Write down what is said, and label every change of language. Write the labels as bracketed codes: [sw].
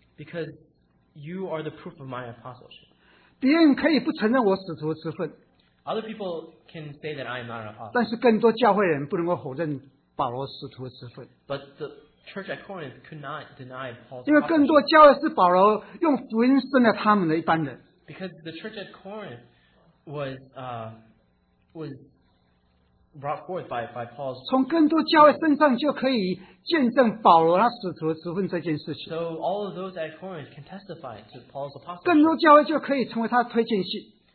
[en] Because you are the proof of my apostleship. [zh] 别人可以不承认我使徒的身份, [en] other people can say that I am not an apostle. [zh] 但是更多教会人不能够否认保罗使徒的身份。 [en] But the church at Corinth could not deny Paul's apostleship. [zh] 因为更多教会是保罗用福音生了他们的一般人。 [en] Because the church at Corinth was brought forth by Paul's. [zh] 从更多教会身上就可以见证保罗他使徒的职分这件事情. [en] So all of those at Corinth can testify to Paul's apostleship. [zh] 更多教会就可以成为他推荐信.